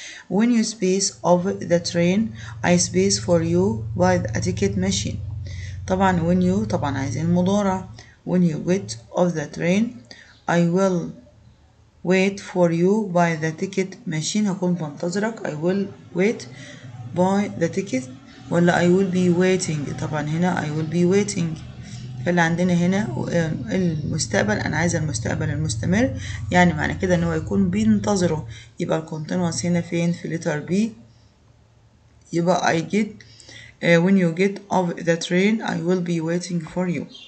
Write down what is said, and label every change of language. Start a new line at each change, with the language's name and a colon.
English: When you space of the train I space for you by the ticket machine.
Arabic: طبعا when you طبعا عايزين مضارع.
English: When you get off the train I will wait for you by the ticket machine. هكون بنتظرك. I will wait by the ticket ولا I will be waiting. طبعا هنا I will be waiting.
Arabic: فاللي عندنا هنا المستقبل انا عايز المستقبل المستمر يعني معنى كده ان هو يكون بينتظره. يبقى الكونتينوس هنا فين في letter B.
English: يبقى I get when you get off the train I will be waiting for you.